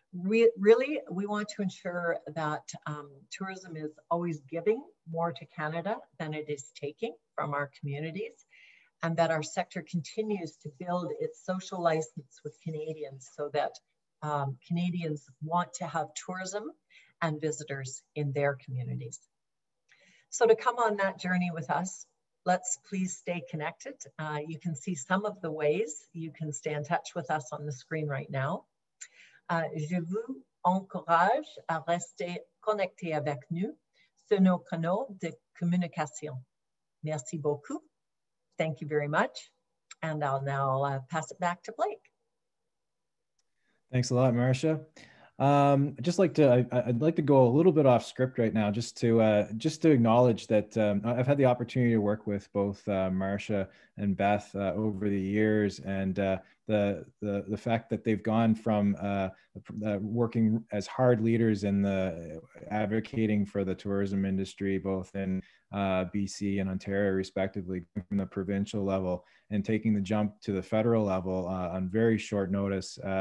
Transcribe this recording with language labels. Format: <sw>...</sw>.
<en>We want to ensure that tourism is always giving more to Canada than it is taking from our communities, and that our sector continues to build its social license with Canadians so that Canadians want to have tourism and visitors in their communities. So to come on that journey with us, let's please stay connected. You can see some of the ways you can stay in touch with us on the screen right now.</en> <fr>Je vous encourage à rester connecté avec nous sur nos canaux de communication. Merci beaucoup.</fr> <en>Thank you very much. And I'll now pass it back to Blake. Thanks a lot, Marisha. I'd like to go a little bit off script right now just to acknowledge that I've had the opportunity to work with both Marisha and Beth over the years, and the fact that they've gone from working as hard leaders in the advocating for the tourism industry, both in BC and Ontario respectively, from the provincial level, and taking the jump to the federal level on very short notice.</en>